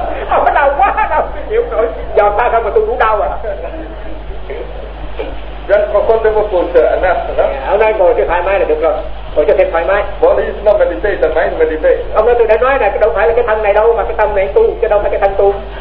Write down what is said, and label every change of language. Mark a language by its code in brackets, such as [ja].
[vi] Ông có đau quá đâu, chịu nổi, dò ta không mà tôi cũng đau à. [en] Just for comfortable posture, enough, no? [vi] Hôm nay ngồi cho thoải mái là được rồi. Ngồi cho thêm thoải mái. [en] Body is not meditation, mind meditate. [vi] Ông nói tôi đã nói là cái đâu phải là cái thân này đâu, mà cái tâm này tu, chứ đâu phải cái thân tu.